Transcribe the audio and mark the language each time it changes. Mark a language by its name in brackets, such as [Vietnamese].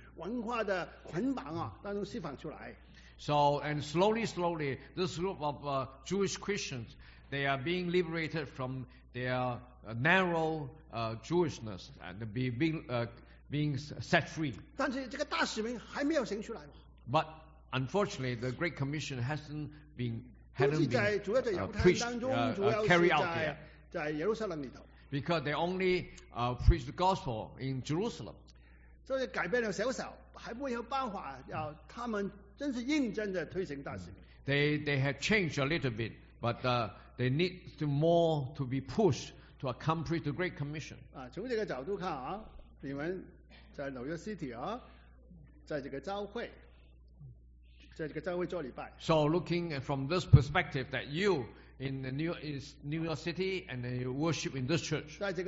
[Chinese] 慢慢的将他们这些犹太人单单是看自己，不看别人这种文化的捆绑啊，当中释放出来。 [English] So, and slowly, slowly, this group of Jewish Christians, they are being liberated from their narrow Jewishness and being set free. [Chinese] 但是这个大使命还没有行出来。 [English] But unfortunately, the Great Commission hadn't been carried out yet. Because they only preached the gospel in Jerusalem. [Chinese] 所以改变了小小，还没有办法，要他们真是认真的推行大使命。 [English] They have changed a little bit, but they need to more to be pushed to accomplish the Great Commission. [Chinese] 从这个角度看啊，你们在纽约 City 啊，在这个教会。 [English] So looking from this perspective that you in the New York City and you worship in this church.